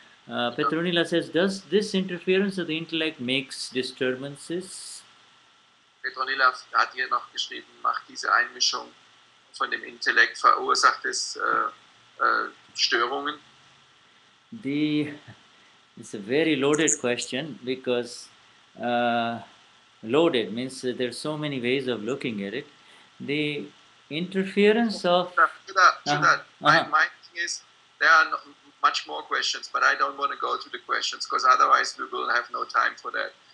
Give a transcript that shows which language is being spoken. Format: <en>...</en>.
<en>Petronila says, does this interference of the intellect makes disturbances?</en> <de>Petronila hat hier noch geschrieben, macht diese Einmischung von dem Intellekt, verursacht es Störungen?</de> <en>It's a very loaded question, because loaded means that there's so many ways of looking at it. The interference of... My thing is, there are... much more questions, but I don't want to go to the questions, because otherwise we will have no time for that.</en>